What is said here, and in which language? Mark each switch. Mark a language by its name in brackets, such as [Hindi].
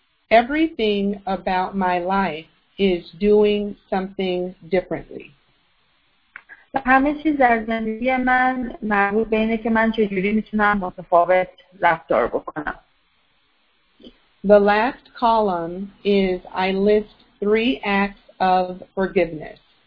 [English] Everything about my life is doing something differently. [Persian] همه چیز در زندگی من مربوط به اینه که من چجوری میتونم متفاوت رفتار بکنم. [English] The last column is I list three acts of forgiveness.